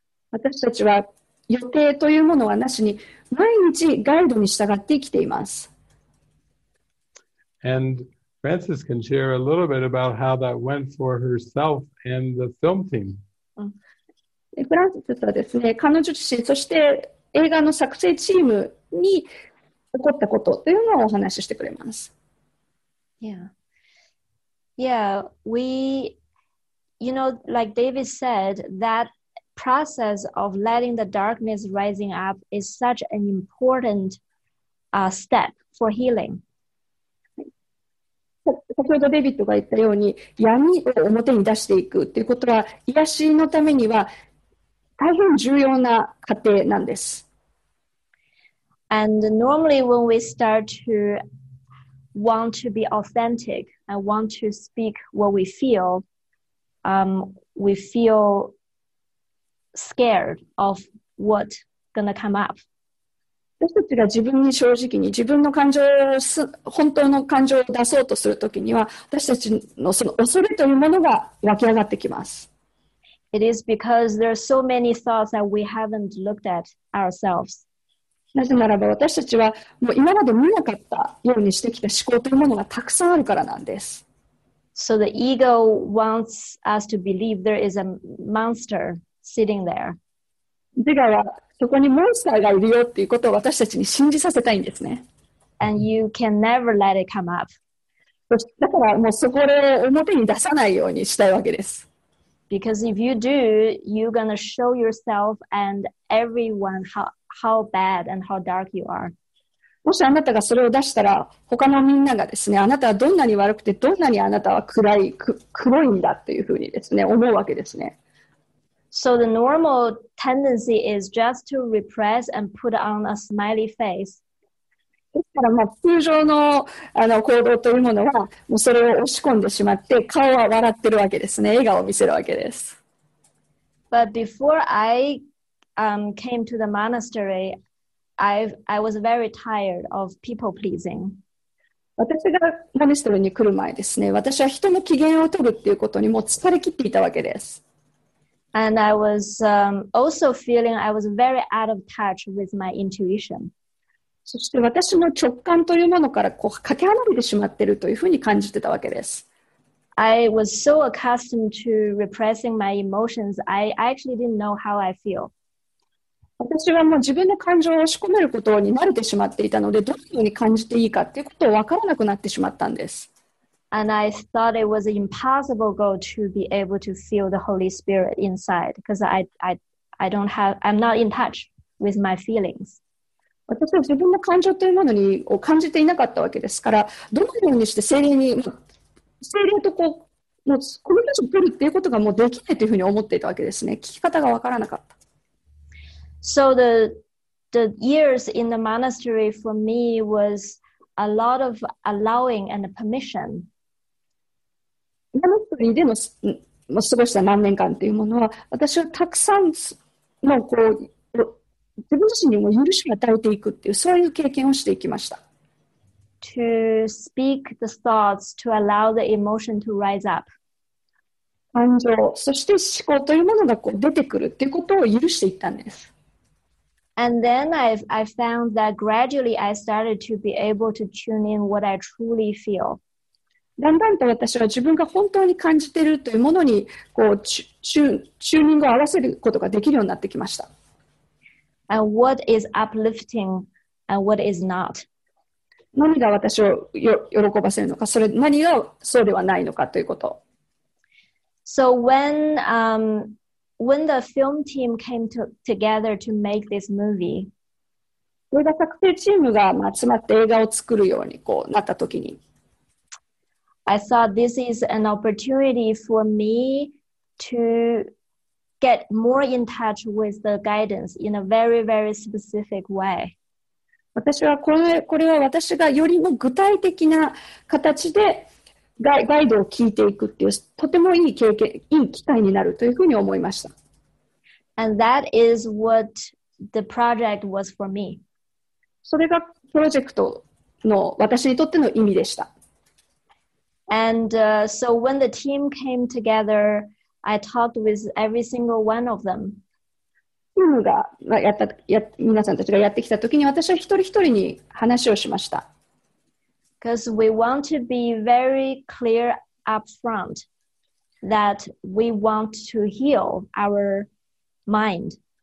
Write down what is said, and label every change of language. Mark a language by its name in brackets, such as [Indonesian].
[Japanese] 私たちは予定というものはなしに毎日ガイドに従って生きています。 [English] And Frances can share a little bit about how that went for herself and the film team. [Japanese] フランセスはですね、彼女自身、そして映画の作成チームに起こったことというのをお話ししてくれます。 [English] Yeah. Yeah, we, you know, like David said, thatprocess of letting the darkness rising up is such an important step for healing. [Japanese] 先ほどデビッドが言ったように闇を表に出していくということは癒しのためには大変重要な過程なんです。 [English] And normally when we start to want to be authentic and want to speak what we feel, we feelscared of what's gonna come up. [Japanese] 私たちが自分に正直に自分の感情を本当の感情を出そうとするときには私たちのその恐れというものが湧き上がってきます。 [English] It is because there are so many thoughts that we haven't looked at ourselves. [Japanese] なぜならば私たちはもう今まで見なかったようにしてきた思考というものがたくさんあるからなんです。 [English] So the ego wants us to believe there is a monster. Sitting there. [Japanese] 自我はそこにモンスターがいるよっていうことを私たちに信じさせたいんですね。 [English] And you can never let it come up. [Japanese] だからもうそこで表に出さないようにしたいわけです。 [English] Because if you do, you're gonna show yourself and everyone how bad and how dark you are. [Japanese] もしあなたがそれを出したら、他のみんながですね、あなたはどんなに悪くて、どんなにあなたは暗い、黒いんだっていうふうにですね、思うわけですね。 [English] So the normal tendency is just to repress and put on a smiley face. [Japanese] ですから、まあ、通常の、行動というものは、もうそれを押し込んでしまって、顔は笑ってるわけですね。笑顔を見せるわけです。 [English] But before I, came to the monastery, I was very tired of people pleasing. [Japanese] 私がモニストリーに来る前ですね、私は人の機嫌を取るっていうことにもう疲れ切っていたわけです。 [English] And I was also feeling I was very out of touch with my intuition. [Japanese] そして私の直感というものからこうかけ離れてしまっているというふうに感じてたわけです。 [English] I was so accustomed to repressing my emotions, I actually didn't know how I feel. [Japanese] 私はもう自分の感情を押し込めることに慣れてしまっていたので、どのように感じていいかということを分からなくなってしまったんです。 [English] And I thought it was an impossible goal to be able to feel the Holy Spirit inside because I don't have, I'm not in touch with my feelings. [Japanese] 私は自分の感情というものにを感じていなかったわけですから、どのようにして聖霊に、聖霊とこう、もうコミュニケーションを取るっていうことがもうできないというふうに思っていたわけですね。聞き方がわからなかった。 [English] So the years in the monastery for me was... A lot of allowing and permission. [Japanese] モニストリーでの過ごした何年間というものは、私はたくさんもうこう自分自身にも許しを与えていくっていうそういう経験をしていきました。 [English] To speak the thoughts, to allow the emotion to rise up. [Japanese] 感情、そして思考というものがこう出てくるっていうことを許していったんです。 [English] And then I found that gradually I started to be able to tune in what I truly feel. [Japanese] だんだんと私は自分が本当に感じているというものにこうチューニングを合わせることができるようになってきました。 [English] and what is uplifting and what is not. [Japanese] 何が私を喜ばせるのか、それ何がそうではないのかということ。 [English] So when, when the film team came to, together to make this movie, [Japanese] 映画作成チームが集まって映画を作るようにこうなったときに、 [English] I thought this is an opportunity for me to get more in touch with the guidance in a very, very specific way. [Japanese] 私はこれは私がよりも具体的な形でガイドを聞いていくっていうとてもいい経験、いい機会になるというふうに思いました。 [English] And that is what the project was for me. [Japanese] それがプロジェクトの私にとっての意味でした。 [English] And so when the team came together, I talked with every single one of them. [Japanese] チームが皆さんたちがやってきたときに私は一人一人に話をしました。 [English] Because we want to be very clear upfront that we want to heal our mind.